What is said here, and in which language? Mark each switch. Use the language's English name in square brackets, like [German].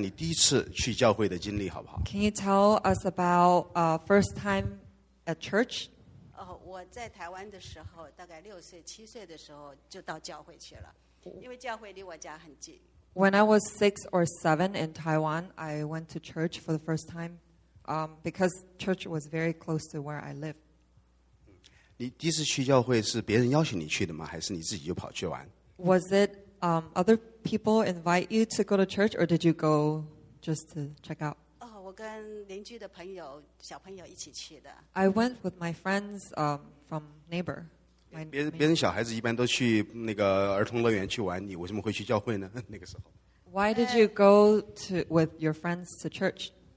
[Chinese] 那个，给我们讲一下你第一次去教会的经历好不好？ [English] Can you tell us about first time at church? [Chinese] 我在台湾的时候，大概六岁、七岁的时候就到教会去了。 [English] When I was six or seven in Taiwan, I went to church for the first time because church was very close to where I live. [Chinese] 你第一次去教会是别人邀请你去的吗？还是你自己就跑去玩？ [English] Was it other people invite you to go to church or did you go just to check out? [Chinese] 我跟邻居的朋友，小朋友一起去的。 [English] I went with my friends from neighbor. [Chinese] 别人小孩子一般都去那个儿童乐园去玩，你为什么会去教会呢？那个时候 [English] ，Why did you go to with your friends to church？